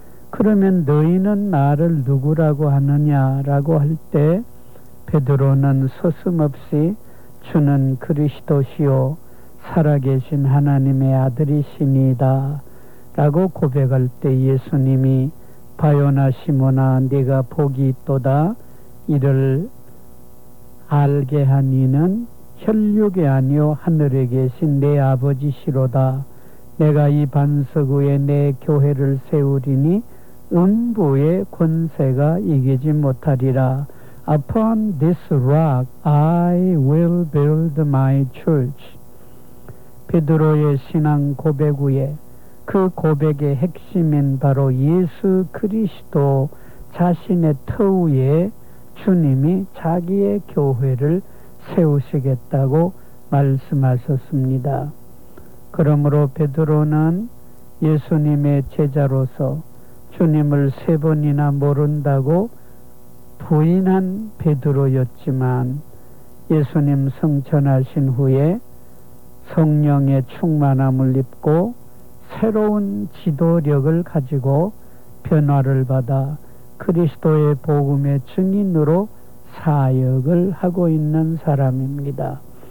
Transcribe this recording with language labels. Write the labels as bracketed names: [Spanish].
[Korean] 그러면 너희는 나를 누구라고 하느냐라고 할 때 베드로는 서슴없이 주는 그리스도시요 살아계신 하나님의 아들이시니다 라고 고백할 때 예수님이 바요나 시모나 네가 복이 있도다, 이를 알게 한 이는 혈육이 아니오 하늘에 계신 내 아버지시로다. 내가 이 반석 위에 내 교회를 세우리니 음부의 권세가 이기지 못하리라. [English] Upon this rock I will build my church. [Korean] 베드로의 신앙 고백 후에 그 고백의 핵심인 바로 예수 그리스도 자신의 터우에 주님이 자기의 교회를 세우시겠다고 말씀하셨습니다. 그러므로 베드로는 예수님의 제자로서 주님을 세 번이나 모른다고 부인한 베드로였지만 예수님 승천하신 후에 성령의 충만함을 입고 새로운 지도력을 가지고 변화를 받아 그리스도의 복음의 증인으로 사역을 하고 있는 사람입니다.